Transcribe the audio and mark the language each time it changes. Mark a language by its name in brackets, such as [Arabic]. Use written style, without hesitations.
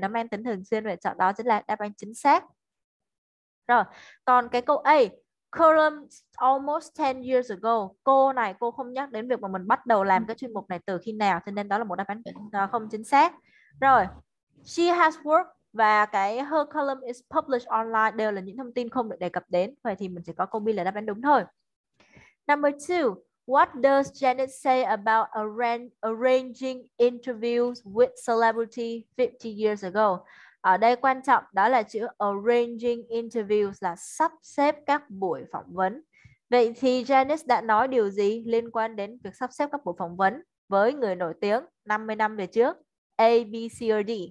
[Vietnamese] Nó mang tính thường xuyên, vậy chọn đó chính là đáp án chính xác. Rồi, còn cái câu A, [English] columns almost 10 years ago. [Vietnamese] Cô này, cô không nhắc đến việc mà mình bắt đầu làm cái chuyên mục này từ khi nào, cho nên đó là một đáp án không chính xác. Rồi, [English] she has worked [Vietnamese] và cái [English] her column is published online [Vietnamese] đều là những thông tin không được đề cập đến. Vậy thì mình chỉ có câu B là đáp án đúng thôi. [English] Number 2, what does Janet say about arranging interviews with celebrity 50 years ago? [Vietnamese] Ở đây quan trọng đó là chữ [English] arranging interviews, [Vietnamese] là sắp xếp các buổi phỏng vấn. Vậy thì Janice đã nói điều gì liên quan đến việc sắp xếp các buổi phỏng vấn với người nổi tiếng 50 năm về trước? [English] A, B, C, or D?